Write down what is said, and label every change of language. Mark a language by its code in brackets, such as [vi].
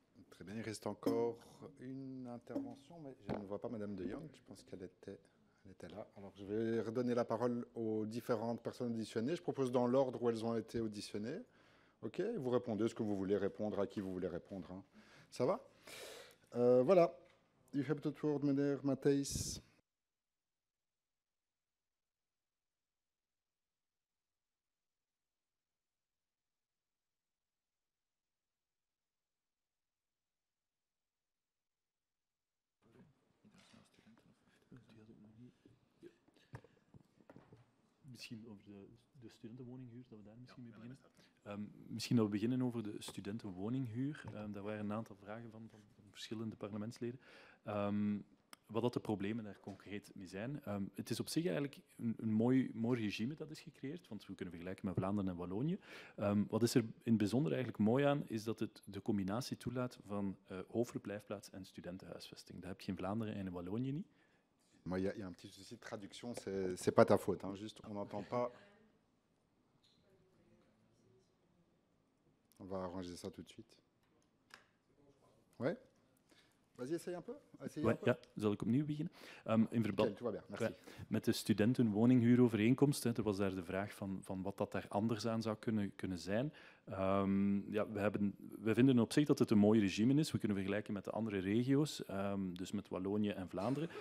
[fr] Très bien, il reste encore une intervention, mais je ne vois pas Madame De Jong, je pense qu'elle était là. Alors je vais redonner la parole aux différentes personnes auditionnées. Je propose dans l'ordre où elles ont été auditionnées. Ok, vous répondez ce que vous voulez répondre, à qui vous voulez répondre. Hein. Ça va? Voilà. [nl] U hebt het woord, meneer Matthijs. misschien over de studentenwoninghuur, dat we daar misschien mee beginnen. Misschien dat we beginnen over de studentenwoninghuur. Daar waren een aantal vragen van verschillende parlementsleden. Wat dat de problemen daar concreet mee zijn. Het is op zich eigenlijk een mooi regime dat is gecreëerd, want we kunnen vergelijken met Vlaanderen en Wallonië. Wat is er in het bijzonder eigenlijk mooi aan, is dat het de combinatie toelaat van hoofdverblijfplaats en studentenhuisvesting. Dat heb je in Vlaanderen en in Wallonië niet. Maar [fr] il y a un petit souci de traduction, c'est pas ta faute, hein, juste on n'entend pas. On va arranger ça tout de suite. Ouais. Vas-y, essaye un peu. [nl] Zal ik opnieuw beginnen? In verband met de studentenwoninghuurovereenkomst, er was daar de vraag van wat dat daar anders aan zou kunnen zijn. We vinden op zich dat het een mooi regime is. We kunnen vergelijken met de andere regio's, dus met Wallonië en Vlaanderen.